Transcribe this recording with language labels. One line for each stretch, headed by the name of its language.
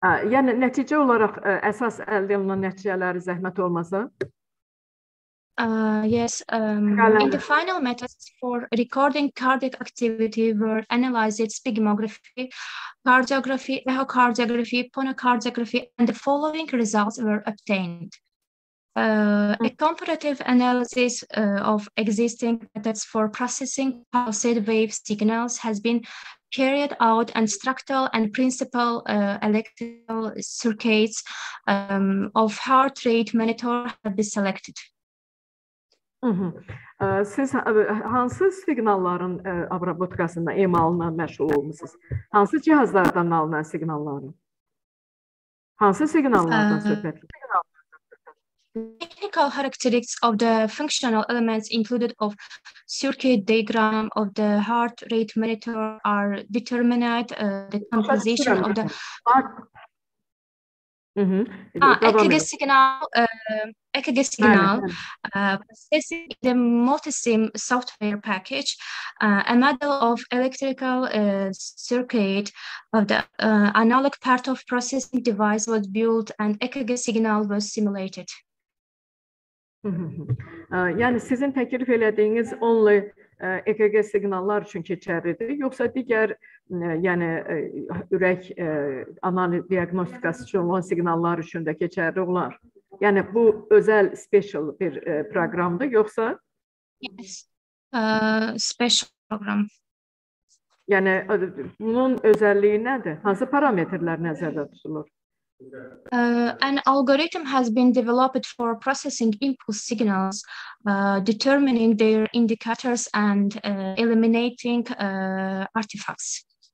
Azerbaijani: Yəni, nəticə olaraq əsas əldə olunan nəticələri zəhmət olmasa?
English: Yes, in the final methods for recording cardiac activity were analyzed sphygmography, cardiography, echocardiography, ponocardiography, and the following results were obtained. A comparative analysis of existing methods for processing pulsed wave signals has been carried out, and structural and principal electrical circuits of heart rate monitor have been selected.
Azerbaijani: Siz hansı siqnalların robotikasında emalına məşğul olmuşsunuz? Hansı cihazlardan alınan siqnalların? Hansı siqnallardan söhbət?
English: Technical characteristics of the functional elements included of circuit diagram of the heart rate monitor are determined the composition of the EKG signal, EKG signal processing the Multisim software package, a model of electrical circuit of the analog part of processing device was built and EKG signal was simulated.
Azerbaijani: Yani sizin təklif elədiyiniz
English: only EKG signallar
Azerbaijani: üçün keçərlidir, yoxsa digər yəni ürək analiz diaqnostikası üçün olan siqnallar üçün də keçərli olar? Yəni bu özəl special bir proqramdır, yoxsa?
English: Yes, special program.
Azerbaijani: Yəni bunun özəlliyi nədir? Hansı parametrlər nəzərdə tutulur?
English: An algorithm has been developed for processing impulse signals, determining their indicators and eliminating artifacts.